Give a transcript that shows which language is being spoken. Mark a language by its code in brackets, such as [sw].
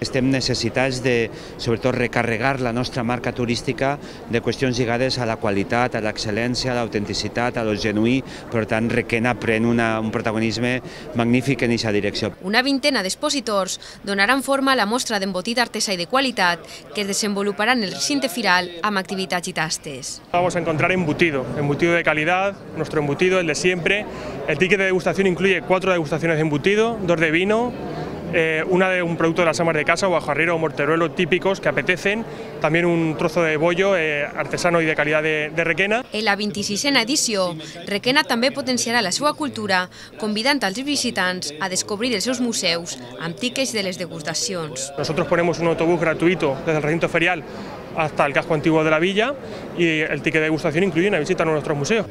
[ca] Estem necessitats de, sobretot, recarregar la nostra marca turística de qüestions lligades a la qualitat, a l'excel·lència, a l'autenticitat, a lo genuí. Per tant, Requena pren un protagonisme magnífic en aquesta direcció. Una vintena d'expositors donaran forma a la mostra d'embotit artesà i de qualitat que es desenvolupa en el recinte firal amb activitats i tastes. [es] Vamos a encontrar embutido de calidad, nuestro embutido, el de siempre. El ticket de degustación incluye 4 degustaciones de embutido, 2 de vino, una de un producto de las amas de casa, guajarrero o morteruelo típicos que apetecen, también un trozo de bollo artesano y de calidad de Requena. [ca] En la 26a edició, Requena també potenciarà la seva cultura, convidant als visitants a descobrir els seus museus amb tickets de les degustacions. [es] Nosotros ponemos un autobús gratuito desde el recinto ferial hasta el casco antiguo de la villa y el ticket de degustación incluye una visita a nuestros museos.